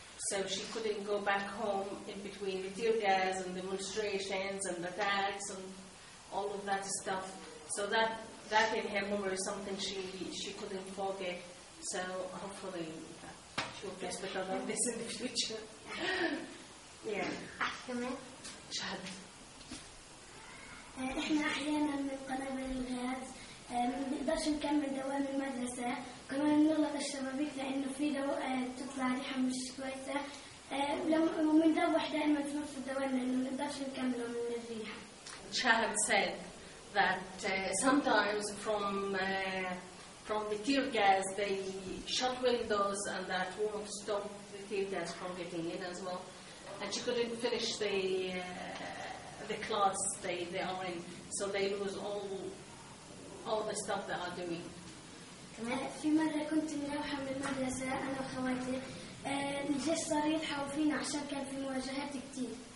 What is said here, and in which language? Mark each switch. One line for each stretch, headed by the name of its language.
English: So she couldn't go back home in between the tear gas and demonstrations and attacks and all of that stuff. So that in her memory is something she couldn't forget. So hopefully she will face better than this in the future.
Arabic: شهد. احنا احيانا من قنابل الغاز ما بنقدرش نكمل دوام المدرسه كمان نغلق الشبابيك لانه في دواء تطلع ريحه مش كويسه وبنروح دائما نفس الدوام لانه ما بنقدرش نكمل من الريحه
English: Shahd said that sometimes from the tear gas they shut windows and that won't stop the tear gas from getting in as well. And she couldn't finish the class they are in, so they lose all the stuff they are doing.
Arabic: في مرة كنت مروحة من المدرسة أنا وخواتي الجيش صار يلحقوا فينا عشان كان في مواجهات كتير.